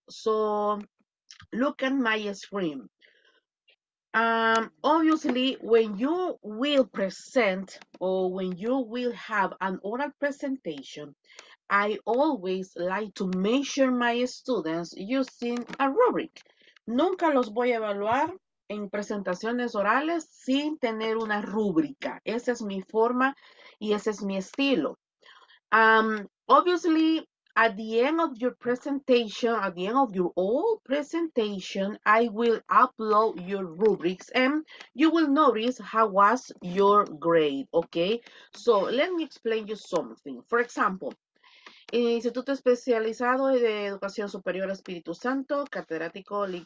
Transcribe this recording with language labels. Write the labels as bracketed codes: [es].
[en] So, look at my screen. Obviously, when you will present or when you will have an oral presentation, I always like to measure my students using a rubric. [es] Nunca los voy a evaluar en presentaciones orales sin tener una rúbrica. Esa es mi forma y ese es mi estilo. [en] Obviously, at the end of your presentation, at the end of your whole presentation, I will upload your rubrics and you will notice how was your grade. Okay, so let me explain you something. For example, Instituto Especializado de Educación Superior Espíritu Santo, Catedrático Lic.